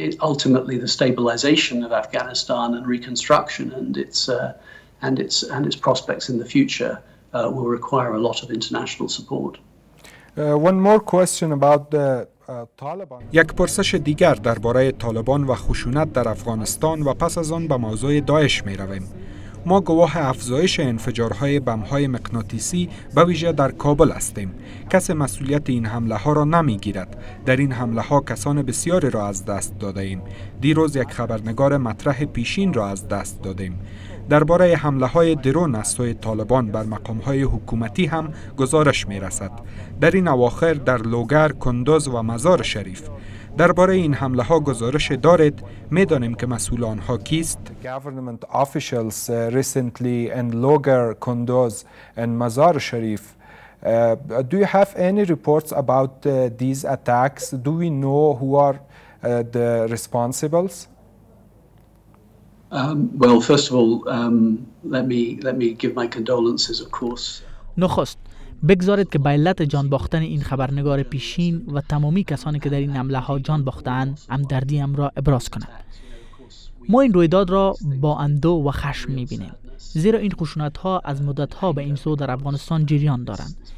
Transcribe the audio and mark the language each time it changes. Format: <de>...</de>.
<en>Ultimately the stabilization of Afghanistan and reconstruction and its prospects in the future will require a lot of international support. One more question about the Taliban.</en> <fa>یک پرسش دیگر درباره طالبان و خشونت در افغانستان و پس از آن به موضوع داعش می رویم. ما گواه افزایش انفجارهای بمهای مغناطیسی به ویژه در کابل هستیم. کس مسئولیت این حمله ها را نمی گیرد. در این حمله ها کسان بسیاری را از دست داده ایم. دیروز یک خبرنگار مطرح پیشین را از دست دادیم. درباره حمله های درون از سوی طالبان بر مقام های حکومتی هم گزارش می رسد. در این اواخر در لوگر، کندز و مزار شریف. درباره این حمله ها گزارش دارید؟ می دانیم که مسئول آنها کیست؟</fa> <en>Government officials recently in Logar, Kunduz and Mazar-e-Sharif. Do you have any reports about these attacks? Do we know who are the responsibles? Well, first of all, let me give my condolences, of course.</en> <fa>نخست بگذارید که به علت جان باختن این خبرنگار پیشین و تمامی کسانی که در این حمله ها جان باختند همدردیم را ابراز کنم. ما این رویداد را با اندوه و خشم می‌بینیم، زیرا این خشونت‌ها از مدت‌ها به این سو در افغانستان جریان دارند.</fa>